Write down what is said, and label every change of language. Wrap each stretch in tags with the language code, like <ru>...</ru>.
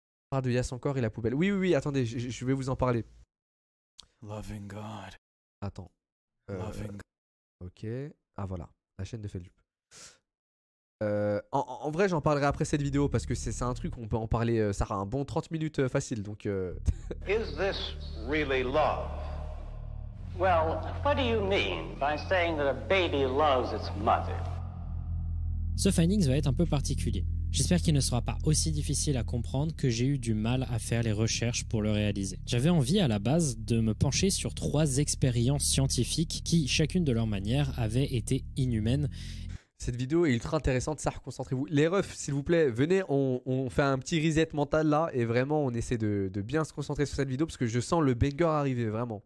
<fr>Parle de Yass encore et la poubelle. Oui, attendez, je vais vous en parler.</fr> <en>Loving God.</en> <fr>Attends.</fr> <en>Loving God.</en> <fr>Ok. Ah, voilà. La chaîne de Feldup. En vrai, j'en parlerai après cette vidéo parce que c'est un truc, on peut en parler, ça aura un bon 30 minutes facile, donc...</fr> <en>Is this really love? Well, what do you mean by saying that a baby loves its mother?</en> <fr>Ce findings va être un peu particulier. J'espère qu'il ne sera pas aussi difficile à comprendre que j'ai eu du mal à faire les recherches pour le réaliser. J'avais envie à la base de me pencher sur 3 expériences scientifiques qui, chacune de leur manière, avaient été inhumaines. Cette vidéo est ultra intéressante, ça, reconcentrez-vous. Les refs, s'il vous plaît, venez, on fait un petit reset mental là et vraiment on essaie de bien se concentrer sur cette vidéo parce que je sens le banger arriver, vraiment.</fr>